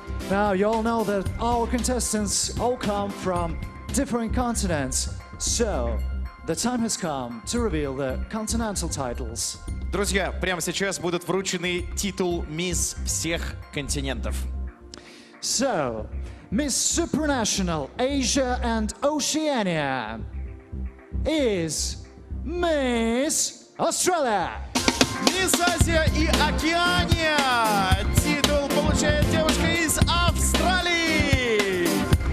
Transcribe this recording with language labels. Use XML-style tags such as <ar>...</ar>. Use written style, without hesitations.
<en>Now, you all know that our contestants all come from different continents. So, the time has come to reveal the continental titles.</en> <ru>Друзья, прямо сейчас будут вручены титул мисс всех континентов.</ru> <en>So, Miss Supranational Asia and Oceania is Miss Australia.</en> <ru>Мисс Азия и Океания. Титул получает девушка из Австралии.</ru>